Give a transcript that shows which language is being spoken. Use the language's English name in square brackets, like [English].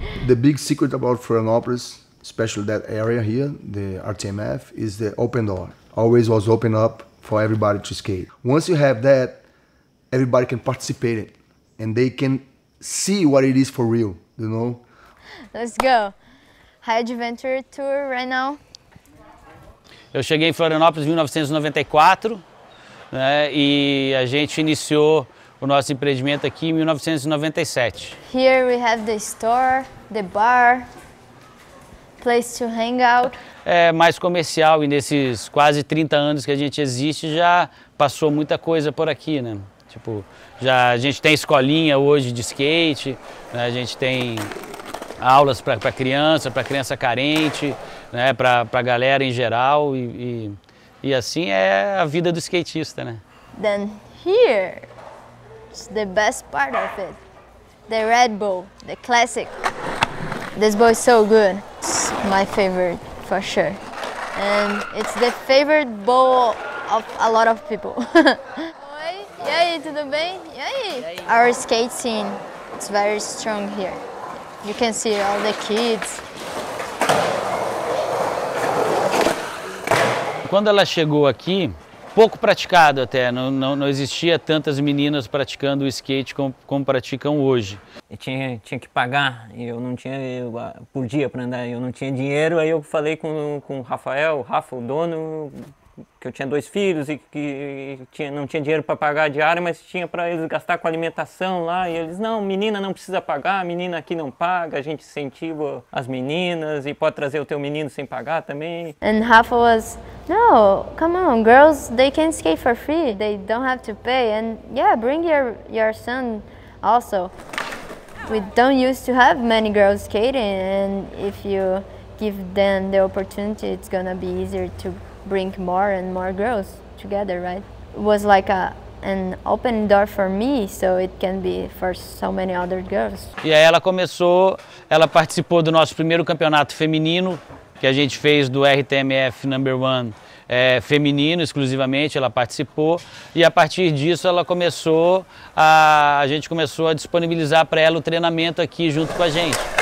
[English] The big secret about Florianópolis, especially that area here, the RTMF, is the open door. Always was open up for everybody to skate. Once you have that, everybody can participate in it, and they can see what it is for real, you know? Let's go. High Adventure Tour right now. [Portuguese] Eu cheguei em Florianópolis em 1994, né, e a gente iniciou o nosso empreendimento aqui em 1997. [English] Here we have the store, the bar, place to hang out. [Portuguese] É mais comercial e nesses quase 30 anos que a gente existe já passou muita coisa por aqui, né? Tipo, já a gente tem escolinha hoje de skate, né? A gente tem aulas para criança carente, né? Para galera em geral e assim é a vida do skatista, né? [English] Then here is the best part of it. The Red Bull, the classic. This bowl is so good. It's my favorite. For sure. And it's the favorite bowl of a lot of people. [Portuguese] Oi, e aí, tudo bem? E aí? [English] Our skate scene, it's very strong here. You can see all the kids. [Portuguese] Quando ela chegou aqui, pouco praticado até, não existia tantas meninas praticando o skate como praticam hoje. E tinha que pagar, e eu não tinha por dia para andar, eu não tinha dinheiro, aí eu falei com o Rafael, o dono, que eu tinha dois filhos e que não tinha dinheiro para pagar a diária, mas tinha para eles gastar com alimentação lá, e eles, não, menina não precisa pagar, menina aqui não paga, a gente incentiva as meninas e pode trazer o teu menino sem pagar também. [English] And Rafa was, no, come on, girls, they can skate for free, they don't have to pay, and yeah, bring your son also. We don't used to have many girls skating, and if you give them the opportunity, it's gonna be easier to bring more and more girls together, right? It was like a an open door for me, so it can be for so many other girls. [Portuguese] E aí ela começou, ela participou do nosso primeiro campeonato feminino, que a gente fez do RTMF Number One, feminino exclusivamente, ela participou. E a partir disso ela começou, a gente começou a disponibilizar para ela o treinamento aqui junto com a gente.